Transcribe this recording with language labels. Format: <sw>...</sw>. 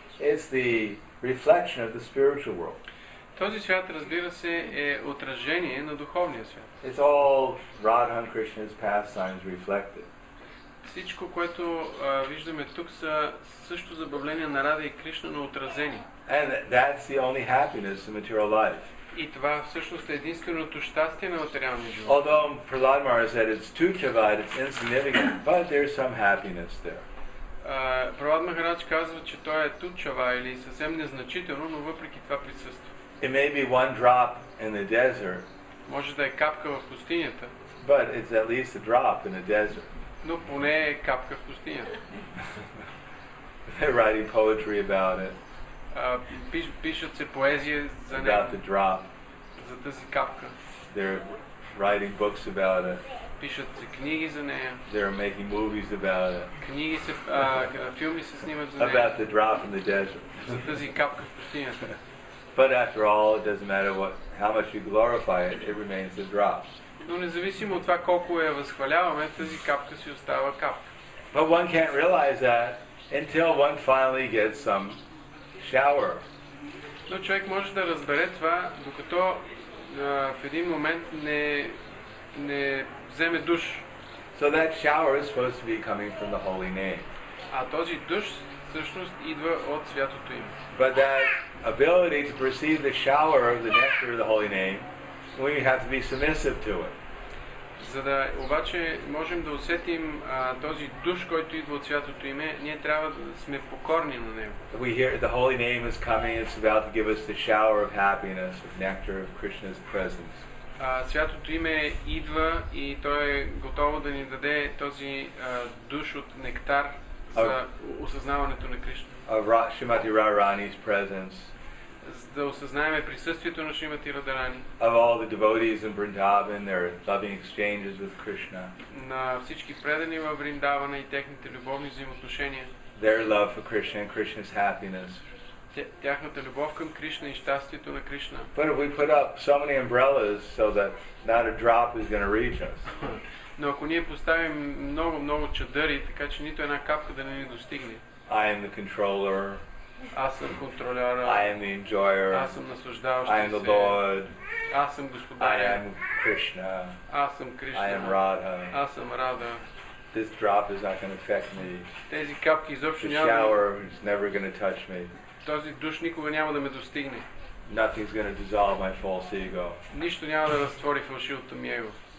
<en>It's the reflection of the spiritual world.</en> <bg>Този свят, разбира се, е отражение на духовния свят.</bg> <en>It's all Radha and Krishna's pastimes reflected.</en> <bg>Всичко, което виждаме тук, са също забавления на Рада и Кришна, но отразени.</bg> <en>And that's the only happiness in material life.</en> <bg>И това всъщност е единственото щастие на материалния живот.</bg> <en>Although Prahlad Maharaj said it's tuchava, it's insignificant, but there's some happiness there.</en> <bg>Prahlad Maharaj казва, че то е тучава или съвсем незначително, но въпреки това присъства.</bg> <en>It may be one drop in the desert.</en> <bg>Може да е капка в пустинята.</bg> <en>But it's at least a drop in the desert.</en> <bg>Но поне е капка в пустинята.</bg> <en>They're writing poetry about it.</en> <bg>Пишат се поезия за нея.</bg> <en>About the drop.</en> <bg>За тази капка.</bg> <en>They're writing books about it.</en> <bg>Пишат се книги за нея.</bg> <en>They're making movies about it.</en> <bg>Книги се, филми се снимат за нея.</bg> <en>About the drop in the desert.</en> <bg>За тази капка в пустинята.</bg> <en>But after all, it doesn't matter what, how much you glorify it, it remains a drop.</en> <bg>Но независимо от това колко я възхваляваме, тази капка си остава капка.</bg> <en>But one can't realize that until one finally gets some shower.</en> <bg>Но човек може да разбере това, докато в един момент не вземе душ.</bg> <en>So that shower is supposed to be coming from the holy name.</en> <bg>А този душ всъщност идва от святото име.</bg> <en>But that ability to perceive the shower of the nectar of the holy name, we have to be submissive to it.</en> <bg>За да обаче можем да усетим този душ, който идва от святото име, ние трябва да сме покорни на него.</bg> <en>We hear the holy name is coming, it's about to give us the shower of happiness, of nectar of Krishna's presence.</en> <bg>Святото име идва и то е готово да ни даде този душ от нектар за осъзнаването на Кришна.</bg> <en>Of Shrimati Radharani's presence.</en> <bg>Да осъзнаваме присъствието на Шримати Радарани.</bg> <en>Of all the devotees in Vrindavan, their loving exchanges with Krishna.</en> <bg>На всички предани във Вриндавана и техните любовни взаимоотношения.</bg> <en>Their love for Krishna and Krishna's happiness.</en> <bg>Тяхната любов към Кришна и щастието на Кришна.</bg> <en>But if we put up so many umbrellas so that not a drop is going to reach us.</en> <bg>Но ако ние поставим много, много чадъри, така че нито една капка да не ни достигне.</bg> <en>I am the controller.</en> <bg>Аз съм контролера.</bg> <en>I am the enjoyer.</en> <bg>Аз съм наслаждаващ се.</bg> <en>I am the Lord.</en> <bg>Аз съм господар.</bg> <en>I am Krishna.</en> <bg>Аз съм Кришна.</bg> <en>I am Radha.</en> <bg>Аз съм Рада.</bg> <en>This drop is not going to affect me.</en> <bg>Тези капки изобщо няма.</bg> <en>The shower is never going to touch me.</en> <bg>Този душ никога няма да ме достигне.</bg> <en>Nothing's going to dissolve my false ego.</en> <bg>Нищо няма да разтвори фалшивото ми его.</bg>